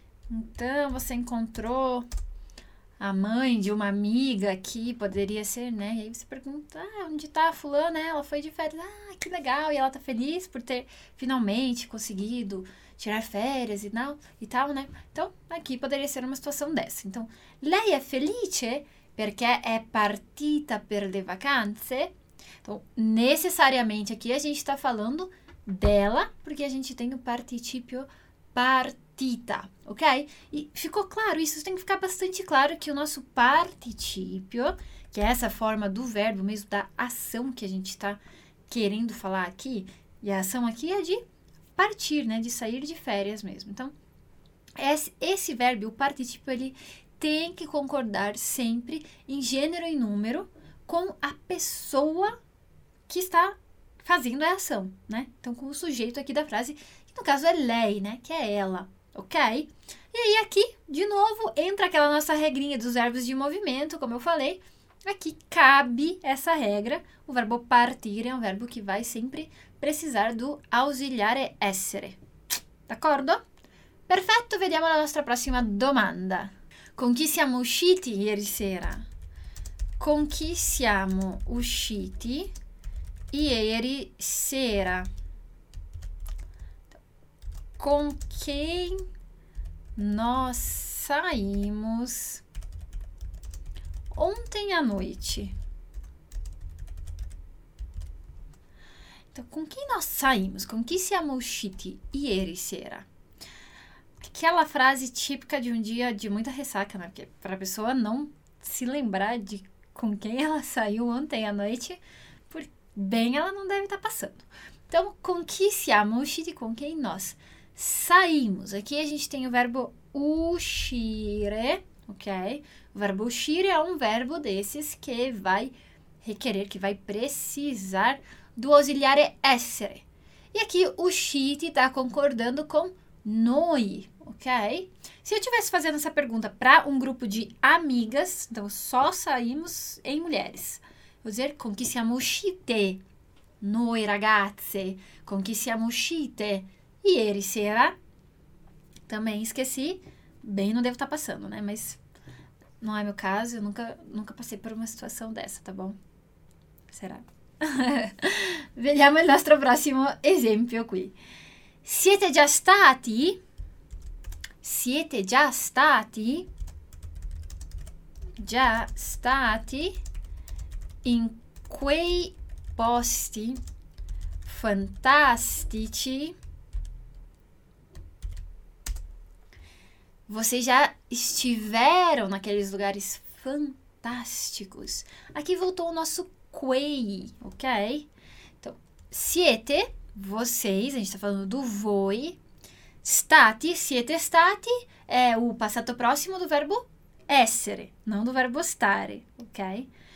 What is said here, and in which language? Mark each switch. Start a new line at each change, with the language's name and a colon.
Portuguese: Então, você encontrou a mãe de uma amiga aqui, poderia ser, né? E aí você pergunta: ah, onde tá a fulana? Ela foi de férias. Ah, que legal! E ela tá feliz por ter finalmente conseguido tirar férias e tal, né? Então, aqui poderia ser uma situação dessa.
Italian: Então, lei é felice perché è partita per le vacanze?
Portuguese: Então, necessariamente aqui a gente tá falando dela, porque a gente tem o participio partita. Tita, ok? E ficou claro isso? Tem que ficar bastante claro que o nosso participio, que é essa forma do verbo mesmo, da ação que a gente está querendo falar aqui, e a ação aqui é de partir, né? De sair de férias mesmo. Então, esse verbo, o participio, ele tem que concordar sempre em gênero e número com a pessoa que está fazendo a ação, né? Então, com o sujeito aqui da frase, que no caso é lei, né? Que é ela, ok? E aí, aqui, de novo, entra aquela nossa regrinha dos verbos de movimento, como eu falei. Aqui cabe essa regra. O verbo partir é um verbo que vai sempre precisar do ausiliare essere.
Italian: D'accordo? Perfetto, vediamo la nostra prossima domanda. Con chi siamo usciti ieri sera? Con chi siamo usciti ieri sera?
Portuguese: Con quem nós saímos ontem à noite? Então, com quem nós saímos?
Italian: Com chi siamo usciti ieri sera?
Portuguese: Aquela frase típica de um dia de muita ressaca, né? Porque para a pessoa não se lembrar de com quem ela saiu ontem à noite, por bem ela não deve estar passando.
Italian: Então, com chi siamo usciti?
Portuguese: Com quem nós saímos? Aqui a gente tem o verbo uscire. Ok? O verbo uscire é um verbo desses que vai requerer, que vai precisar do ausiliare essere. E aqui uscite está concordando com noi, ok? Se eu estivesse fazendo essa pergunta para um grupo de amigas, então só saímos em mulheres, vou dizer
Italian: com chi siamo uscite noi ragazze, com chi siamo uscite ieri sera.
Portuguese: Também esqueci, bem não devo estar passando, né? Mas não é meu caso, eu nunca passei por uma situação dessa, tá bom? Será?
Italian: Vediamo il nostro prossimo esempio qui. Siete già stati? Siete già stati? Già stati in quei posti fantastici?
Portuguese: Vocês já estiveram naqueles lugares fantásticos? Aqui voltou o nosso quei, ok? Então, siete, vocês, a gente está falando do voi, stati, siete stati, é o passato próximo do verbo essere, não do verbo stare, ok?